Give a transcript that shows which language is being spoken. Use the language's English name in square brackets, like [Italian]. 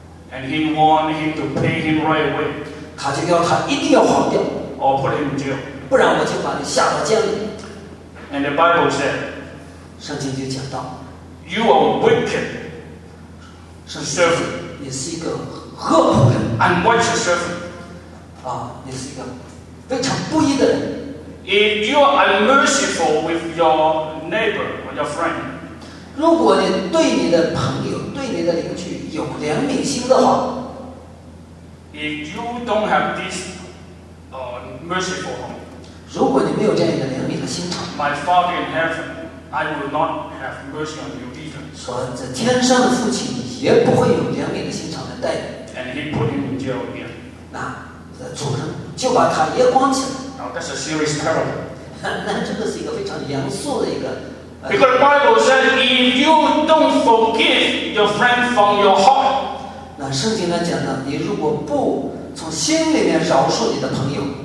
[English] And he warned him to pay him right away。 [Chinese] 他就要他一定要还掉。 [English] Or put him in jail。 [Chinese] 不然我就把你下到监狱。 [English] And the Bible said， [Chinese] 圣经就讲到 [English] ，You are wicked servant。 [Chinese] 你是一个恶仆人。 [English] Unrighteous servant。 [Chinese] 啊，你是一个非常不义的人。 [English] If you are unmerciful with your neighbor or your friend。 [Chinese] 如果你对你的朋友、对你的邻居有怜悯心的话 [English] ，If you don't have this merciful heart， [Chinese] 如果你没有这样一个怜悯的心肠 [English] ，My Father in heaven， I will not have mercy on you either。 [Chinese] 说这天上的父亲也不会有怜悯的心肠来待你。 [English] And he put him in jail again。 [Chinese] 那这主人就把他也关起来。 [English] Now that's a serious parable。 [Chinese] 那这个是一个非常严肃的一个 [English] Because the Bible says, if you don't forgive your friend from your heart, [Chinese] 那圣经呢讲的，你如果不从心里面饶恕你的朋友